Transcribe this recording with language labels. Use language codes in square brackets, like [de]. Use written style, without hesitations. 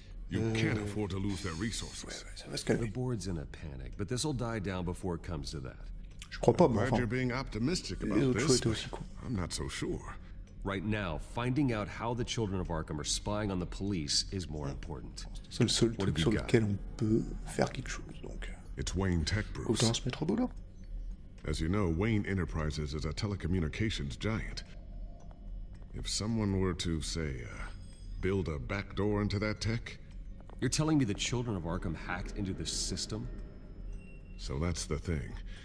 [en] You can't afford to lose their resources. The board's in a panic, but this will die down before it comes to that. [fr] Je crois pas, mais enfin. [en] You're being optimistic about [fr] les autres [en] this, [fr] étaient aussi cool. [en] I'm not so sure. Right now, finding out how the children of Arkham are spying on the police is more important. [fr] C'est le seul truc sur lequel on peut faire quelque chose, donc. [en] It's Wayne Tech, Bruce. [fr] Autant se mettre au boulot. [en] As you know, Wayne Enterprises is a telecommunications giant. If someone were to, say, build a backdoor into that tech... You're telling me the children of Arkham hacked into the system? So that's the thing.